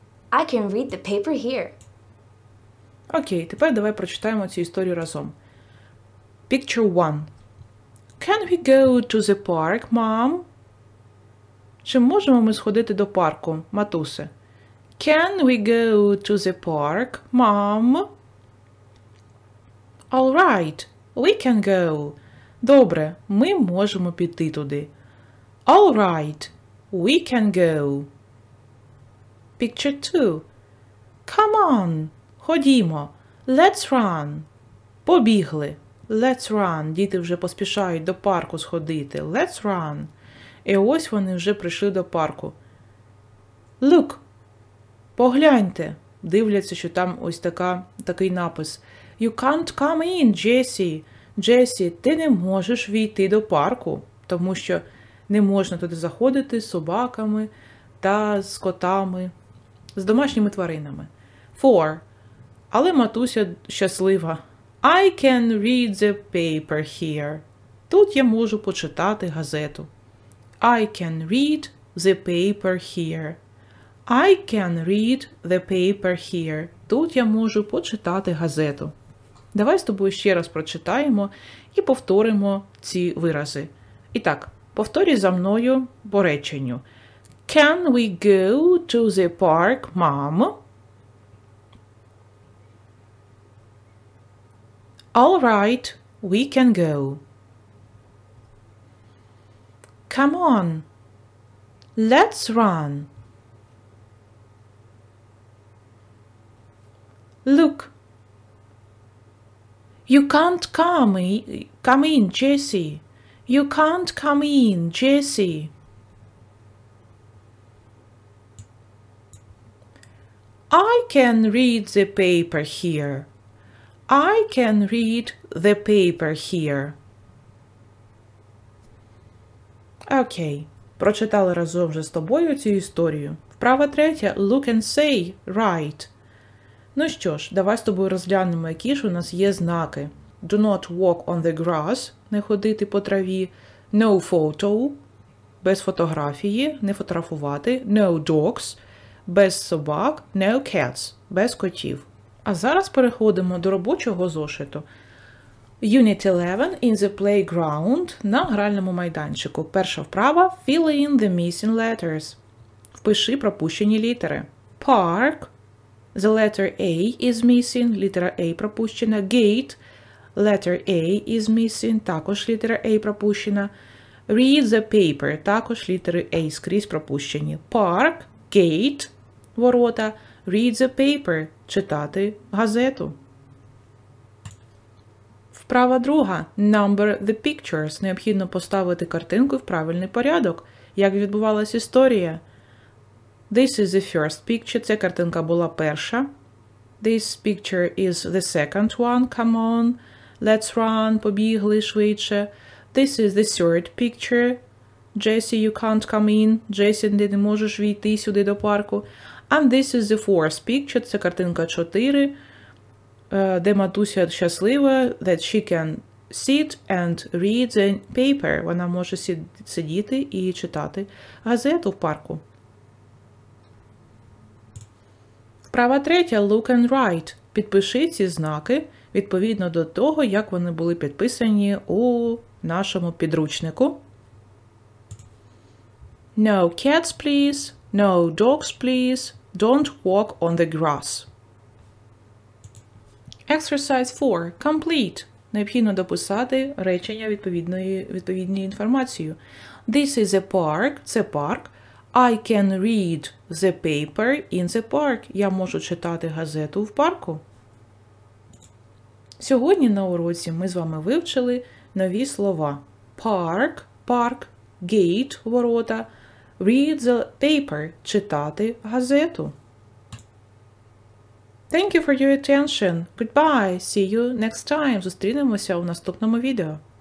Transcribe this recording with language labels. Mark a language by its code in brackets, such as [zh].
[en] I can read the paper here. [uk] Окей, тепер давай прочитаємо цю історію разом. [en] Picture 1. Can we go to the park, Mom? [uk] Чи можемо ми сходити до парку, матусе? [en] Can we go to the park, Mom? All right, we can go. [uk] Добре, ми можемо піти туди. [en] All right, we can go. Picture 2. Come on, [uk] ходімо. [en] Let's run. [uk] Побігли. [en] Let's run. [uk] Діти вже поспішають до парку сходити. [en] Let's run. [uk] І ось вони вже прийшли до парку. [en] Look. [uk] Погляньте. Дивляться, що там ось такий напис. [en] You can't come in, Jesse. [uk] Jesse, ти не можеш війти до парку, тому що не можна туди заходити з собаками та з котами, з домашніми тваринами. Four. Але матуся щаслива. [en] I can read the paper here. [uk] Тут я можу почитати газету. [en] I can read the paper here. I can read the paper here. [uk] Тут я можу почитати газету. Давай з тобою ще раз прочитаємо і повторимо ці вирази. І так, повторюй за мною по реченню. [en] Can we go to the park, Mom? All right, we can go. Come on, let's run. Look, you can't come in, Jesse. You can't come in, Jesse. I can read the paper here. I can read the paper here. [uk] Окей, прочитали разом вже з тобою цю історію. Вправа третя. [en] Look and say. Right. [uk] Ну що ж, давай з тобою розглянемо, які ж у нас є знаки. [en] Do not walk on the grass. [uk] Не ходити по траві. [en] No photo. [uk] Без фотографії. Не фотографувати. [en] No dogs. [uk] Без собак. [en] No cats. [uk] Без котів. А зараз переходимо до робочого зошиту. [en] Unit 11 in the playground – [uk] на гральному майданчику. Перша вправа [en] – fill in the missing letters. [uk] Впиши пропущені літери. [en] Park – the letter A is missing. [uk] Літера A пропущена. [en] Gate – letter A is missing. [uk] Також літера A пропущена. [en] Read the paper [uk] – також літери A скрізь пропущені. [en] Park – gate – [uk] ворота. [en] Read the paper – [uk] читати газету. Вправа друга. [en] Number the pictures. [uk] Необхідно поставити картинку в правильний порядок. Як відбувалась історія? [en] This is the first picture. [uk] Ця картинка була перша. [en] This picture is the second one. Come on, let's run. [uk] Побігли швидше. [en] This is the third picture. Jesse, you can't come in. [uk] Jesse, ти не можеш війти сюди до парку. [en] And this is the fourth picture. [uk] Це картинка 4. де матуся щаслива, [en] that she can sit and read the paper. [uk] Вона може сидіти і читати газету в парку. Вправа третя. [en] Look and write. [uk] Підпиши ці знаки відповідно до того, як вони були підписані у нашому підручнику. [en] No cats, please. No dogs, please. Don't walk on the grass. Exercise 4. Complete. [uk] Необхідно дописати речення відповідної інформації. [en] This is a park. [uk] Це парк. [en] I can read the paper in the park. [uk] Я можу читати газету в парку. Сьогодні на уроці ми з вами вивчили нові слова. [en] Park – парк, gate – [uk] ворота, [en] read the paper – [uk] читати газету. [en] Thank you for your attention. Goodbye. See you next time. [uk] Зустрінемося у наступному відео.